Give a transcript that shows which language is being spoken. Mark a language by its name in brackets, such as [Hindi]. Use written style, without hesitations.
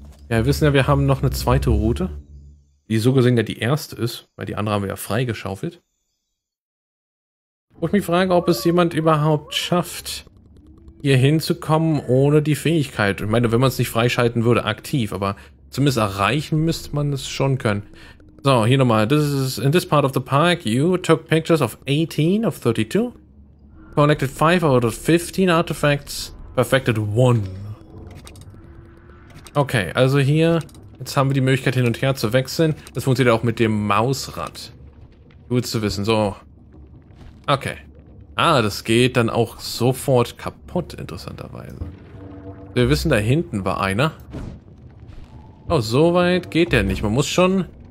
[German] Ja, wir wissen ja, wir haben noch eine zweite Route. Die so gesehen ja die erste ist, weil die andere haben wir ja freigeschaufelt. Wo ich mich frage, ob es jemand überhaupt schafft, hier hinzukommen ohne die Fähigkeit. Ich meine, wenn man es nicht freischalten würde, aktiv, aber zumindest erreichen müsste man es schon können. So, hier nochmal. [English] This is in this part of the park, you took pictures of 18 of 32, collected 5 out of 15 artifacts, perfected 1. [German] Okay, also hier, jetzt haben wir die Möglichkeit hin und her zu wechseln. Das funktioniert auch mit dem Mausrad. Gut zu wissen, so. Okay. Ah, das geht dann auch sofort kaputt, interessanterweise. Wir wissen, da hinten war einer. Oh, so weit geht der nicht. Man muss schon...